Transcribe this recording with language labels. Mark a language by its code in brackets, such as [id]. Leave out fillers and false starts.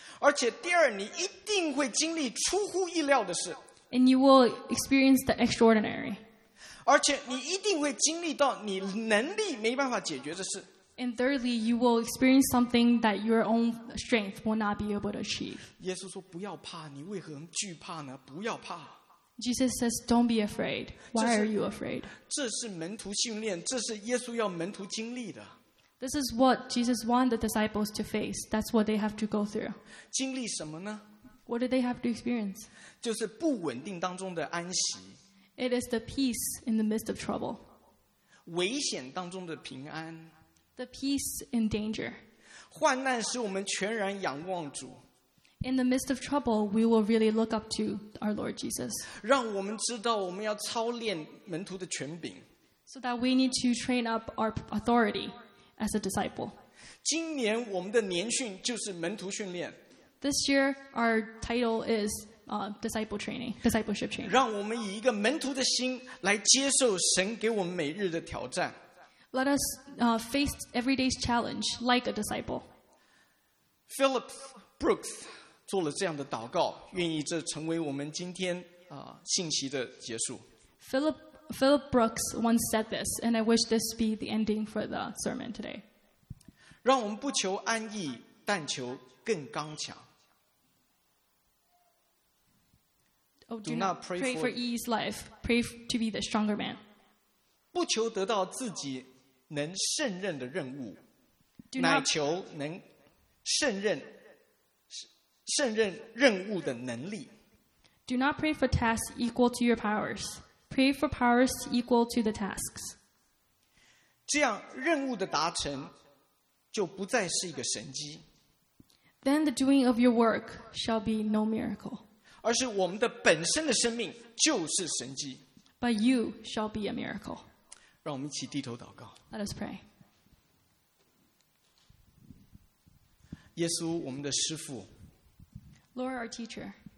[zh] 而且第二，你一定会经历出乎意料的事。 [en] And you will experience the extraordinary. [zh] 而且你一定会经历到你能力没办法解决的事。 [en] And thirdly, you will experience something that your own strength will not be able to achieve. [zh] 耶稣说不要怕，你为何惧怕呢？不要怕。 [en] Jesus says, don't be afraid. Why are you afraid? [zh] 这是门徒训练，这是耶稣要门徒经历的。 [en] This is what Jesus wants the disciples to face. That's what they have to go through. [zh] 经历什么呢？ [en] What do they have to experience? [zh] 就是不稳定当中的安息。 [en] It is the peace in the midst of trouble. [zh] 危险当中的平安。 [en] The peace in danger. [zh] 患难使我们全然仰望主。 [en] In the midst of trouble, we will really look up to our Lord Jesus. [zh] 让我们知道我们要操练门徒的权柄。 [en] So that we need to train up our authority as a disciple. [zh] 今年我们的年训就是门徒训练。 [en] This year, our title is disciple training, discipleship training. [zh] 让我们以一个门徒的心来接受神给我们每日的挑战。 [en] Let us face everyday's challenge like a disciple. [zh] Philip Brooks 做了这样的祷告，愿意这成为我们今天信息的结束。 [en] Philip Brooks once said this, and I wish this be the ending for the sermon today. [zh] 让我们不求安逸，但求更刚强。 [en] Oh, do not pray for ease life. Pray to be the stronger man. [zh] 不求得到自己能胜任的任务，乃求能胜任任务的能力。 [en] Do not pray for tasks equal to your powers. Pray for powers equal to the tasks. [zh] 这样任务的达成就不再是一个神迹。 [en] Then the doing of your work shall be no miracle. [zh] 而是我们的本身的生命就是神迹。 [en] But you shall be a miracle. [zh] 让我们一起低头祷告。 [en] Let us pray. [zh] 耶稣，我们的师父。 [en] Lord, our teacher.